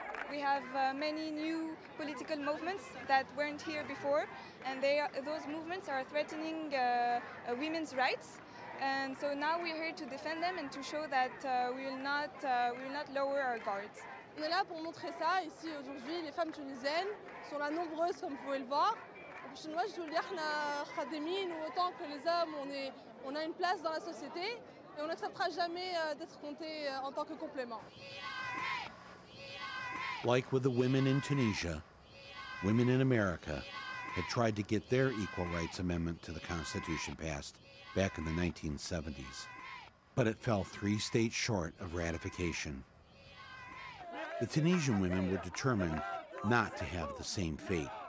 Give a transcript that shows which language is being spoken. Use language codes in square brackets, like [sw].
[en] We have many new political movements that weren't here before, and those movements are threatening women's rights. And so now we're here to defend them and to show that we will not lower our guards. [fr] On est là pour montrer ça ici aujourd'hui. Les femmes tunisiennes sont là nombreuses, comme vous pouvez le voir. Pour chez moi, je veux dire, on a Khademi, nous autant que les hommes, on a une place dans la société et on n'acceptera jamais d'être compté en tant que complément. [en] Like with the women in Tunisia, women in America had tried to get their Equal Rights Amendment to the Constitution passed back in the 1970s. But it fell 3 states short of ratification. The Tunisian women were determined not to have the same fate.